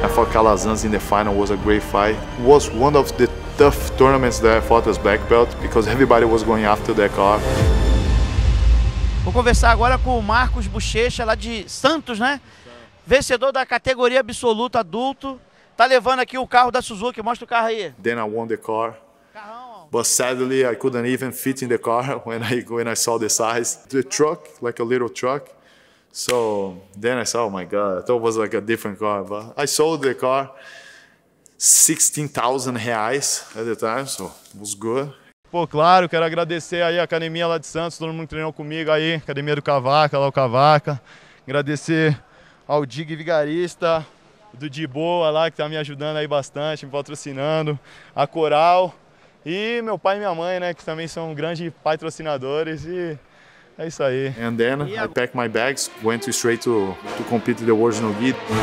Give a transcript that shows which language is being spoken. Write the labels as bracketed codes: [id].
[en] Calazans in the final was a great fight. It was one of the tough tournaments that I fought as black belt because everybody was going after that car. [pt] Vou conversar agora com o Marcos Buchecha, lá de Santos, né? Vencedor da categoria absoluta adulto. Tá levando aqui o carro da Suzuki. Mostra o carro aí. [en] Then I won the car. But sadly, I couldn't even fit in the car when I saw the size. The truck, like a little truck. So then I saw, oh my God, I thought it was like a different car, but I sold the car, 16,000 reais at the time, so it was good. [pt] Pô, claro, quero agradecer aí a academia lá de Santos, todo mundo que treinou comigo aí, academia do Cavaca, lá o Cavaca. Agradecer ao Dig Vigarista, do De Boa lá, que tá me ajudando aí bastante, me patrocinando, a Coral, e meu pai e minha mãe, né, que também são grandes patrocinadores e... É isso aí. [en] And then I packed my bags, went straight to compete in the World No Gi.